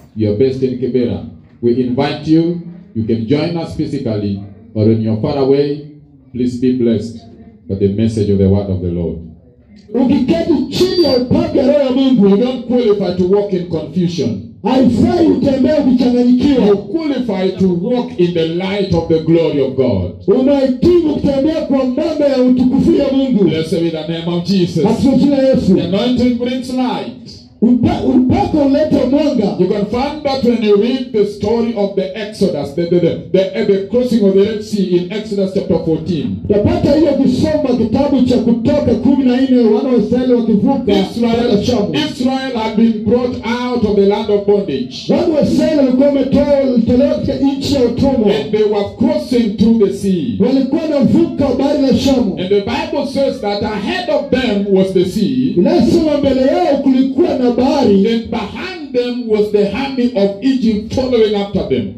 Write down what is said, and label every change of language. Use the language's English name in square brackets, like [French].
[English] You are based in Kibera. We invite you. You can join us physically, or when you're far away, please be blessed by the message of the word of the Lord. [Swahili] Ukiketi chini ya upande wa Roho Mungu, [English] you don't qualify to walk in confusion. [Swahili] Haifai utembee ukichanganyikiwa. [English] You qualify to walk in the light of the glory of God. [Swahili] Unahitimu kutembea kwa mwanga ya utukufu wa Mungu. [English] Blessed be the name of Jesus. [Swahili] Asifiwe Yesu. [English] The anointing brings light. [Swahili] Upako leta mwanga. [English] You can find that when you read the story of the Exodus, the crossing of the Red Sea in Exodus chapter 14. [Swahili] Tapata hiyo kusoma kitabu cha Kutoka 14 wana wa Israeli wakivuka [English] Israel. Israel had been brought out of the land of bondage. [Swahili] Wana wa Israeli walikuwa wametolewa katika nchi ya utumwa. [English] And they were crossing through the sea. [Swahili] Walikuwa wanavuka bahari ya Shamu. [English] And the Bible says that ahead of them was the sea. [Swahili] Inasema mbele yao kulikuwa [English] and behind them was the army of Egypt following after them.